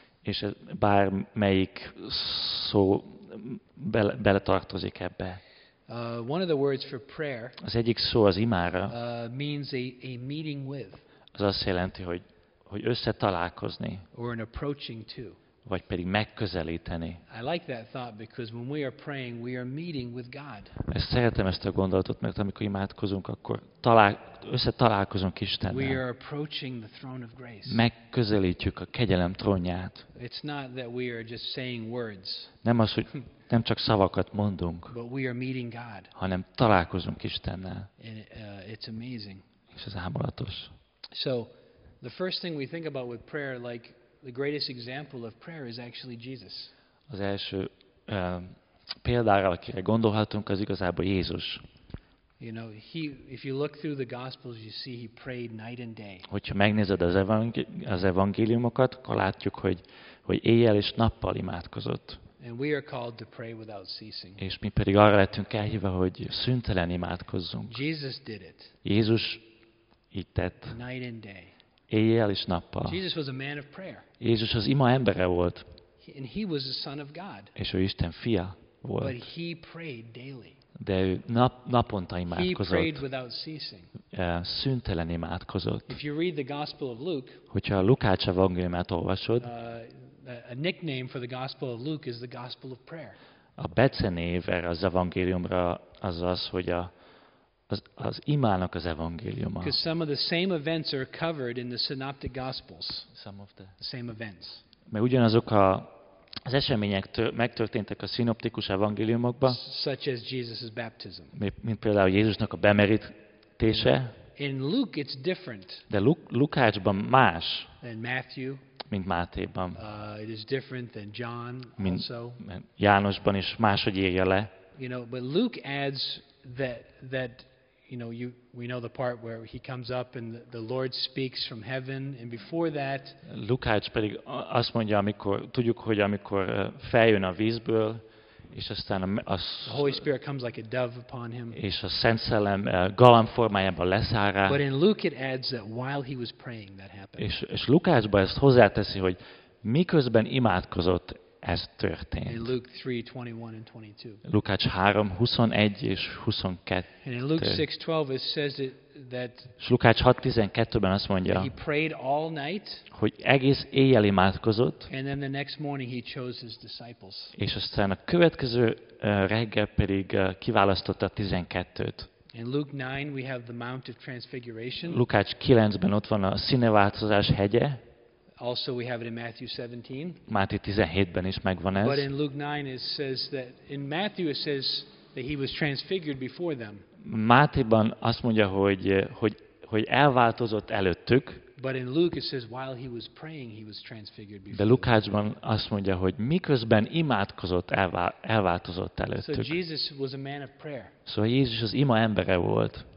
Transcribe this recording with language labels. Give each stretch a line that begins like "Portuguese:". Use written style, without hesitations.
Hungarian: És bármelyik szó beletartozik ebbe.
English: One of the words for prayer.
Hungarian: Az egyik szó az imára.
English: Means a meeting with.
Hungarian: Az azt jelenti, hogy összetalálkozni.
English: Or an approaching to.
Hungarian: Vagy pedig megközelíteni.
English: I like that thought because when we are praying, we are meeting with God.
Hungarian: Ezt szeretem ezt a gondolatot, mert amikor imádkozunk, akkor összetalálkozunk Istennel.
English: We are approaching the throne of grace.
Hungarian: Megközelítjük a kegyelem trónját.
English: It's not that we are just saying words.
Hungarian: Nem az, hogy nem csak szavakat mondunk.
English: But we are meeting God.
Hungarian: Hanem találkozunk Istennel.
English: It's amazing.
Hungarian: És ez álmodatos.
English: So, the first thing we think about with prayer, like the greatest example of prayer is actually Jesus.
Hungarian: Az első példára, akire gondolhatunk, az igazából Jézus.
English: You know, if you look through the Gospels, you see he prayed night and day.
Hungarian: Hogyha megnézed az evangéliumokat, akkor látjuk, hogy éjjel és nappal imádkozott.
English: And we are called to pray without ceasing.
Hungarian: És mi pedig arra lettünk elhívva, hogy szüntelen imádkozzunk.
English: Jesus did it.
Hungarian: Jézus így tett.
English: Night and day.
Hungarian: Éjjel és nappal.
English: Jesus was a man of prayer.
Hungarian: Jézus az ima embere volt.
English: And he was the son of God.
Hungarian: És ő Isten fia volt.
English: But he prayed daily.
Hungarian: De ő naponta imádkozott.
English: He prayed without ceasing.
Hungarian: Szüntelen imádkozott.
English: If you read the Gospel of Luke,
Hungarian: hogyha a Lukács evangéliumát olvasod,
English: a nickname for the Gospel of Luke is the Gospel of Prayer.
Hungarian: A becenév erre az evangéliumra az, hogy az imának az evangéliuma.
English: Because some of the same events are covered in the synoptic gospels. Some of the same events.
Hungarian: Mert ugyanazok az események megtörténtek a szinoptikus evangéliumokban.
English: Such as Jesus' baptism.
Hungarian: Mint például Jézusnak a bemerítése.
English: In Luke it's different.
Hungarian: De Lukácsban más.
English: And Matthew.
Hungarian: Mint Mátéban.
English: It is different than John also.
Hungarian: Jánosban is máshogy írja le.
English: You know, but Luke adds that you know, you, we know the part where he comes up and the Lord speaks from heaven, and before that
Hungarian: Lukács pedig azt mondja, amikor tudjuk, hogy amikor feljön a vízből, és aztán
English: the Holy Spirit comes like a dove upon him.
Hungarian: És a Szent Szellem galamb formájában leszáll rá.
English: But in Luke it adds that while he was praying that happened.
Hungarian: És Lukácsba ezt hozzáteszi, hogy miközben imádkozott, ez történt.
English: In Luke 3:21 and 22.
Hungarian: Lukács 3:21 és 22.
English: And in Luke 6:12 it says that
Hungarian: Lukács 6:12-ben azt mondja,
English: he prayed all night,
Hungarian: hogy egész éjjel imádkozott.
English: And then the next morning he chose his disciples.
Hungarian: És aztán a következő reggel pedig kiválasztotta 12-t.
English: In Luke 9 we have the Mount of Transfiguration.
Hungarian: Lukács 9-ben ott van a Színeváltozás hegye.
English: Also we have it in Matthew 17.
Hungarian: Máté 17-ben is megvan ez.
English: But in Luke 9 it says that in Matthew it says that he was transfigured before them.
Hungarian: Mátéban azt mondja, hogy elváltozott előttük.
English: But in Luke it says while he was praying he was transfigured before.
Hungarian: De Lukácsban azt mondja, hogy miközben imádkozott elváltozott előttük.
English: So Jesus was a man of prayer.
Hungarian: Szóval Jézus az ima embere volt.